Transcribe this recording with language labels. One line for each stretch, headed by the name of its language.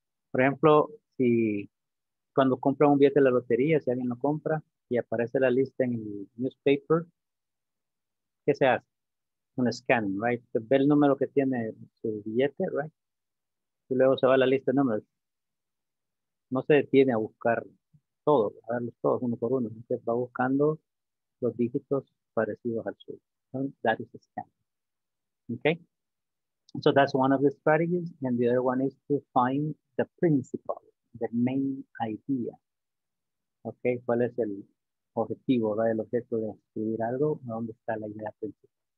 Spanish: Por ejemplo, si cuando compra un billete de la lotería, si alguien lo compra y aparece la lista en el newspaper, ¿qué se hace? Un scan, right? Ve el número que tiene su billete, right? Y luego se va a la lista de números. No se detiene a buscar todo, a verlos todos uno por uno. Entonces va buscando los dígitos parecidos al suyo.
English: And that is a scan. Okay, so that's one of the strategies, and the other one is to find the principle, the main idea.
Spanish: Okay, ¿cuál es el objetivo, ¿verdad? El objeto de escribir algo, ¿dónde está la idea principal?